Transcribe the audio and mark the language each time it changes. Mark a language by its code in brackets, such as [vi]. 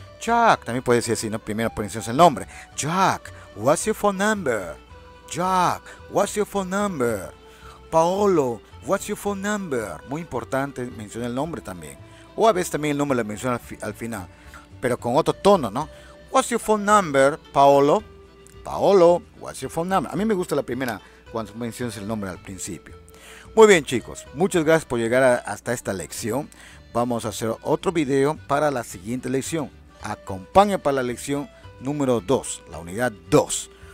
[es] Jack, también puede decir así, ¿no? Primero pronuncias el nombre. [en] Jack, what's your phone number? Jack, what's your phone number? Paolo, what's your phone number? [es] Muy importante, menciona el nombre también. O a veces también el nombre lo menciona al final, pero con otro tono, ¿no? [en] What's your phone number, Paolo? [es] Paolo, [en] what's your phone number? [es] A mí me gusta la primera cuando mencionas el nombre al principio. Muy bien, chicos. Muchas gracias por llegar hasta esta lección. Vamos a hacer otro video para la siguiente lección. Acompáñame para la lección número 2, la unidad 2.